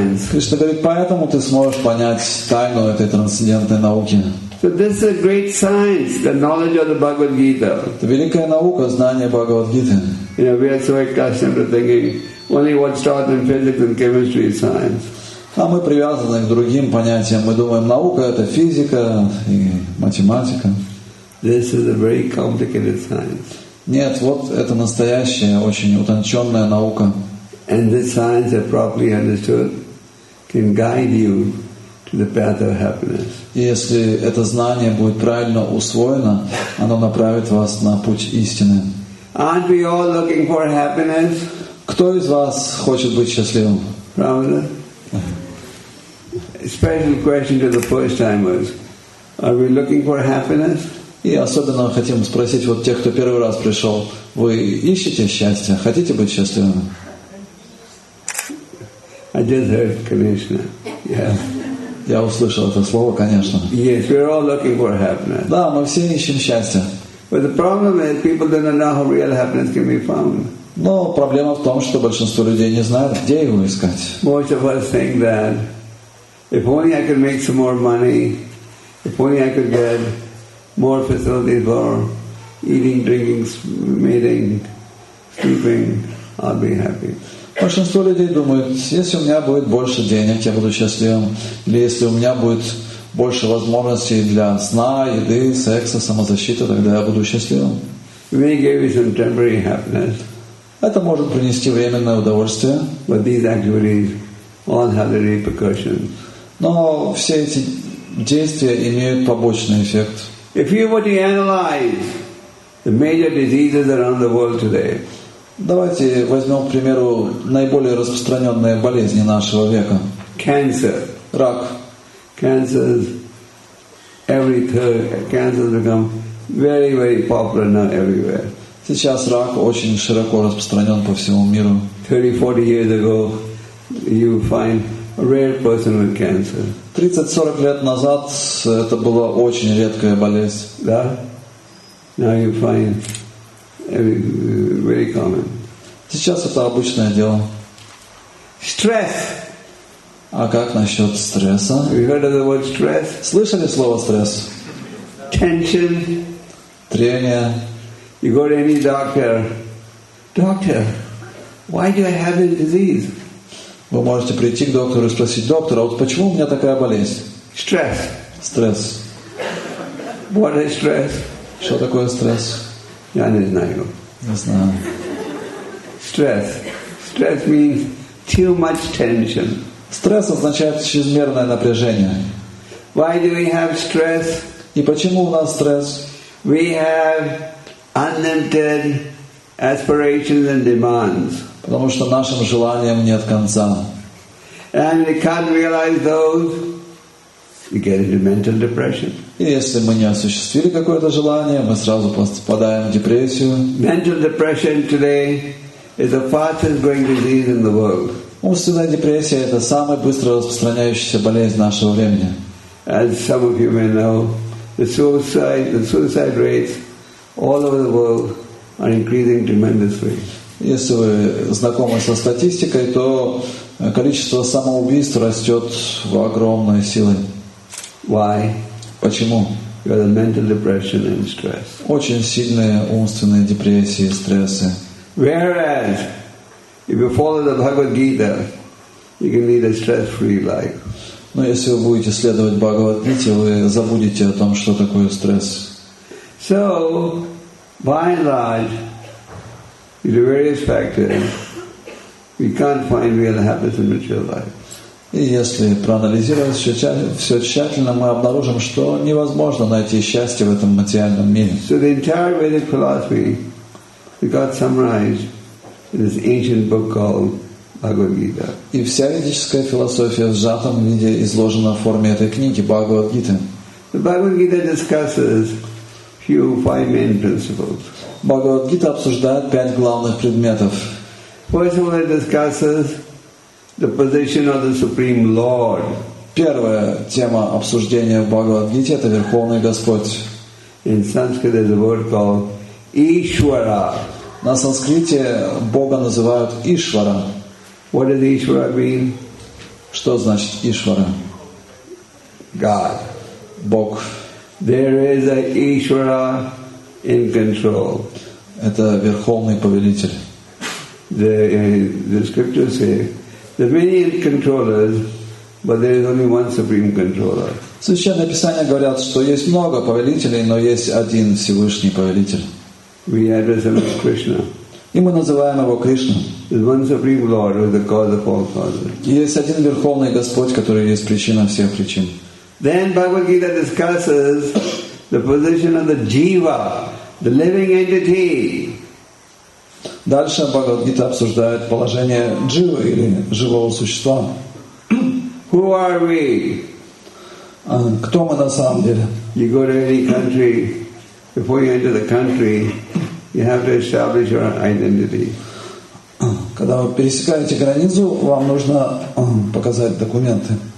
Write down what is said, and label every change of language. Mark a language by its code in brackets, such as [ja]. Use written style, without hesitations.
[ru] Кришна говорит, поэтому ты сможешь понять тайну этой трансцендентной науки. [en] So this is a great science, the knowledge of the Bhagavad Gita. [ru] Это великая наука, знание Бхагавад Гиты. [en] You know, we are so accustomed to thinking only what's taught in physics and chemistry is science. [ru] А мы привязаны к другим понятиям. Мы думаем, наука это физика и математика. [en] This is a very complicated science. [ru] Нет, вот это настоящая, очень утонченная наука. [en] And this science, if properly understood, can guide you to the path of happiness. [ru] И если это знание будет правильно усвоено, оно направит вас на путь истины. [en] Aren't we all looking for happiness? [ru] Кто из вас хочет быть счастливым? Правда? [en] Special question to the first timers. Are we looking for happiness? [ru] И особенно хотим спросить вот тех, кто первый раз пришел. Вы ищете счастье? Хотите быть счастливым? [en] I just heard Krishna. [ru] Я услышал это слово, конечно. [en] Yes, we're all looking for happiness. [ru] Да, мы все ищем счастье. [en] But the problem is people don't know how real happiness can be found. [ru] Но проблема в том, что большинство людей не знают, где его искать. [en] Most of us think that if only I could make some more money, if only I could get more facilities for eating, drinking, meeting, sleeping, I'll be happy. [ru] Большинство людей думают, если у меня будет больше денег, я буду счастливым, или если у меня будет больше возможностей для сна, еды, секса, самозащиты, тогда я буду счастливым. [en] We give you some temporary happiness. [ru] Это может принести временное удовольствие. [en] But these actually all have the repercussions. [ru] Но все эти действия имеют побочный эффект. [en] If you were to analyze the major diseases around the world today, [ru] давайте возьмем, к примеру, наиболее распространенные болезни нашего века. [en] Cancer. [ru] Рак. [en] Cancers. Every third cancer has become very, very popular now everywhere. [ru] Сейчас рак очень широко распространен по всему миру. [en] 30-40 years ago, you find a rare person with cancer. [ru] 30-40 лет назад это была очень редкая болезнь. Да? [en] Now you find very common. [ru] Сейчас это обычное дело. [en] Stress. [ru] А как насчет стресса? [en] You heard of the word stress? [ru] Слышали слово стресс? [en] Tension. [ru] Трение. [en] You go to any doctor. Doctor, why do I have this disease? [ru] Вы можете прийти к доктору и спросить, доктор, а вот почему у меня такая болезнь? [en] Stress. [ru] Стресс. [en] What is stress? [ru] Что такое стресс? Я не знаю. Не знаю. [en] Stress. Stress means too much tension. [ru] Стресс означает чрезмерное напряжение. [en] Why do we have stress? [ru] И почему у нас стресс? [en] We have unlimited aspirations and demands. [ru] Потому что нашим желаниям нет конца. [en] And we can't realize those. You get into mental depression. [ru] И если мы не осуществили какое-то желание, мы сразу попадаем в депрессию. [en] Mental depression today is the fastest growing disease in the world. [ru] Умственная депрессия — это самая быстро распространяющаяся болезнь нашего времени. [en] As some of you may know, the suicide rates all over the world are increasing tremendously. [ru] Если вы знакомы со статистикой, то количество самоубийств растет в огромной силе. [en] Why? [ru] Почему? [en] Because of mental depression and stress. [ru] Очень сильные умственные депрессии и стрессы. [en] Whereas, if you follow the Bhagavad Gita, you can lead a stress-free life. [ru] Но если вы будете следовать Бхагавад-гите, вы забудете о том, что такое стресс. [en] So, by and large, due to various factors, we can't find real happiness in material life. [ru] И если проанализировать все тщательно, мы обнаружим, что невозможно найти счастье в этом материальном мире. [en] So the entire Vedic philosophy got summarized in this ancient book called Bhagavad Gita. [ru] И вся ведическая философия в сжатом виде изложена в форме этой книги Бхагавад Гиты. [en] The Bhagavad Gita discusses few five main principles. [ru] Бхагавад Гита обсуждает пять главных предметов. [en] First of all, it discusses the position of the Supreme Lord. [ru] Первая тема обсуждения в Бхагавад-гите — это Верховный Господь. [en] In Sanskrit there's a word called Ishvara. [ru] На санскрите Бога называют Ишвара. [en] What does Ishvara mean? [ru] Что значит Ишвара? [en] God. [ru] Бог. [en] There is an Ishvara in control. [ru] Это Верховный Повелитель. [en] The scriptures say there are many controllers, but there is only one supreme controller. [ru] Священные писания говорят, что есть много повелителей, но есть один Всевышний повелитель. [en] We address him as Krishna. [ru] И мы называем его Кришна. [en] There's one supreme Lord who is the cause of all causes. [ru] И есть один Верховный Господь, который есть причина всех причин. [en] Then Bhagavad Gita discusses the position of the jiva, the living entity. [ru] Дальше Бхагавад-гита обсуждает положение джива или живого существа. [en] Who are we? [ru] Кто мы на самом деле? [en] You go to any country. Before you enter the country, you have to establish your identity. [ru] Когда вы пересекаете границу, вам нужно показать документы.